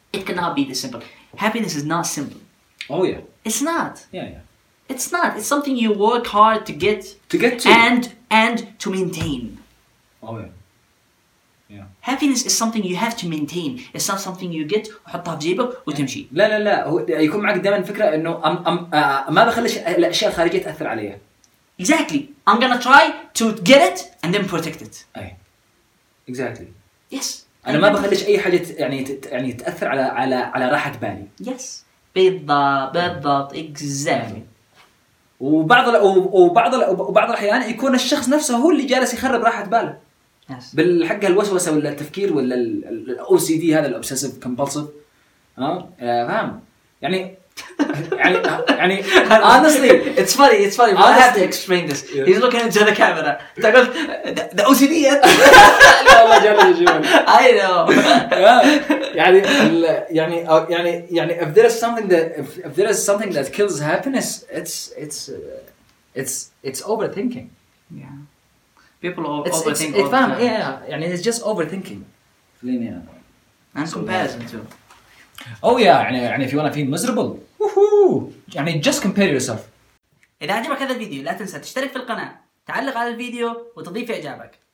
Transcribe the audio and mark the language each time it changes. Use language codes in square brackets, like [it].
[en] It cannot be this simple. Happiness is not simple. Oh yeah. It's not. Yeah, yeah. It's not. It's something you work hard to get. To get to. And to maintain. Oh yeah. Yeah. Happiness is something you have to maintain. It's not something you get [ar] وحطها في جيبك وتمشي. لا لا لا. يكون معك دائما فكرة إنه ما بخليش الأشياء الخارجية تأثر عليها. [en] Exactly. I'm gonna try to get it and then protect it. أي. Exactly. Yes. [ar] أنا ما بخليش أي حاجة يعني تأثر على على على راحة بالي. [en] Yes. بالضبط. Exactly. [ar] وبعض الأحيان يكون الشخص نفسه هو اللي جالس يخرب راحة باله. [en] Yes. [ar] بالحق الوسوسة ولا التفكير ولا ال OCD هذا ال obsessive compulsive. فاهم؟ يعني. [en] يعني honestly it's funny I have to explain this yeah. he's looking into the camera تقول the OCD [ar] لا والله جالس [en] I know يعني if there is something that if there is something that kills happiness it's overthinking yeah people overthink يعني it's just overthinking يعني and comparison too oh yeah يعني if you wanna feel miserable Woohoo! يعني just compare yourself. [ar] إذا عجبك هذا الفيديو لا تنسى تشترك في القناة، تعلق على الفيديو وتضيف إعجابك.